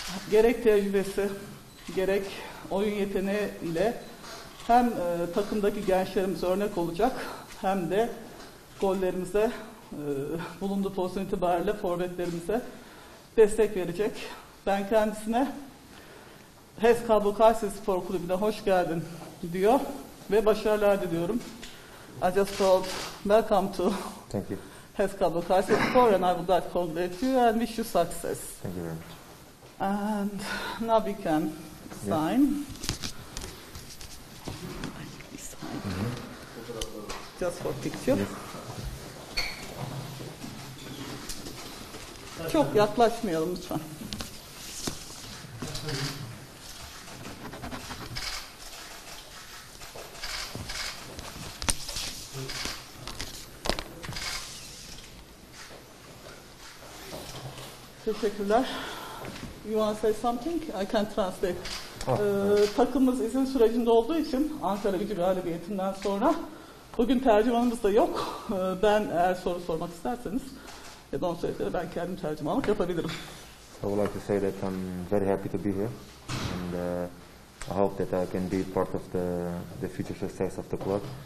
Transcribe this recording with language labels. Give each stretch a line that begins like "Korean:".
Turkish: Gerek tecrübesi, gerek oyun yeteneğiyle hem takımdaki gençlerimize örnek olacak, hem de gollerimize, bulunduğu pozisyon itibariyle forvetlerimize destek verecek. Ben kendisine HES Kablo Kayseri Spor Kulübü'ne hoş geldin diyor ve başarılar diliyorum.
English: I just told welcome to Thank you. HES Kablo Kayseri Spor and I would like to congratulate you and wish you success. Thank you very much. And now we can sign. Yes. Just for picture. Yes.
Turkish: Çok yaklaşmayalım lütfen. Teşekkürler.
English: You want to say something? I can translate.
Turkish: Takımımız izin sürecinde olduğu için Ankara Gücü galibiyetinden sonra bugün tercümanımız da yok. Ben eğer soru sormak isterseniz ya da onu söyledikleri ben kendim tercümanlık yapabilirim.
English: I would like to say that I'm very happy to be here and I hope that I can be part of the future success of the club.